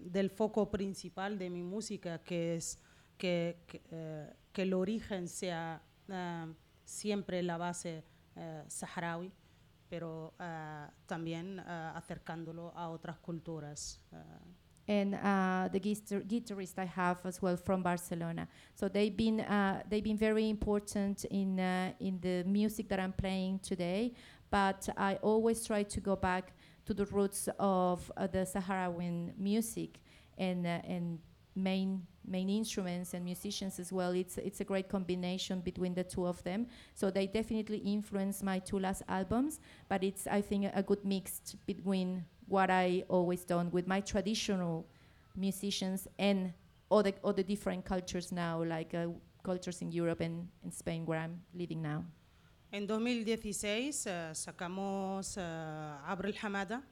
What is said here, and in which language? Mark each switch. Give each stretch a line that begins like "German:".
Spanish: foco principal de mi música, que es que el origen sea siempre la base saharaui, pero también acercándolo a otras culturas.
English: And the guitarist I have as well from Barcelona. So they've been very important in the music that I'm playing today. But I always try to go back to the roots of the Sahrawi music and main instruments and musicians as well. It's a great combination between the two of them. So they definitely influenced my two last albums. But it's, I think, a good mix between what I always done with my traditional musicians and all the different cultures now, like cultures in Europe and in Spain, where I'm living now.
Spanish: En 2016 sacamos Abre el Hamada.